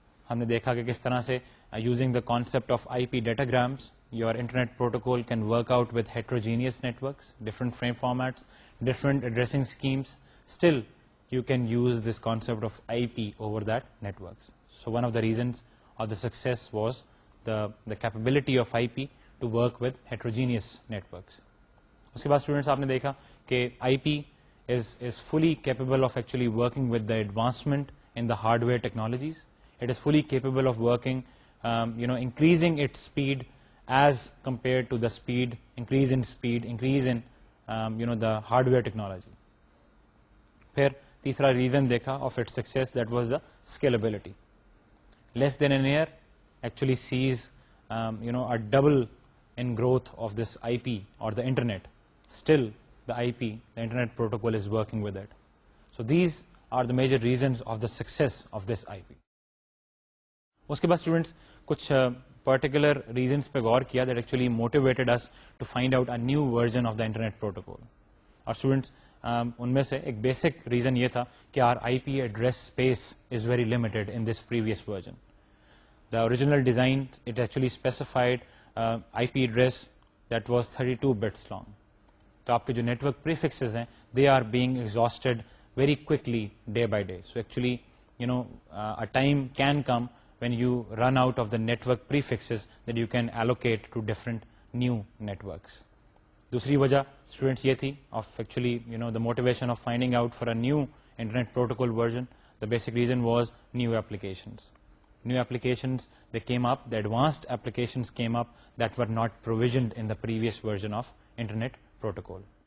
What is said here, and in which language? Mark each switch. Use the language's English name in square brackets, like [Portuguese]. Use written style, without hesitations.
[Urdu] ہم نے دیکھا کہ کس طرح سے [English] Using the concept of I P datagrams your internet protocol can work out with heterogeneous networks, different frame formats, different addressing schemes, still you can use this concept of IP over that networks. So one of the reasons or the success was the capability of IP to work with heterogeneous networks. [Urdu] Uske baad students aapne dekha ke [English] IP is fully capable of actually working with the advancement in the hardware technologies. It is fully capable of working, increasing its speed as compared to the speed, increase in speed, increase in, the hardware technology. [Urdu] Phir, [English] تیسرا ریزن دیکھا of it success that was the scalability. Less than an year actually sees a double in growth of this I P or the internet, still the I P the internet protocol is working with it. So these are the major reasons of the success of this I P. [Urdu] اس کے بعد students کچھ particular reasons پہ غور کیا [English] That actually motivated us to find out a new version of the internet protocol. [Urdu] اور students ان میں سے ایک بیسک ریزن یہ تھا کہ [English] Our I P address space is very limited in this previous version. The original design it actually specified I P address that was 32 bits long. [Urdu] تو آپ کے جو نیٹورک پریفکسز ہیں [English] They are being exhausted very quickly day by day. So actually a time can come when you run out of the network prefixes that you can allocate to different new networks. [Urdu] دوسری وجہ students یہ تھی [English] Of actually the motivation of finding out for a new internet protocol version. The basic reason was new applications they came up, the advanced applications came up that were not provisioned in the previous version of internet protocol.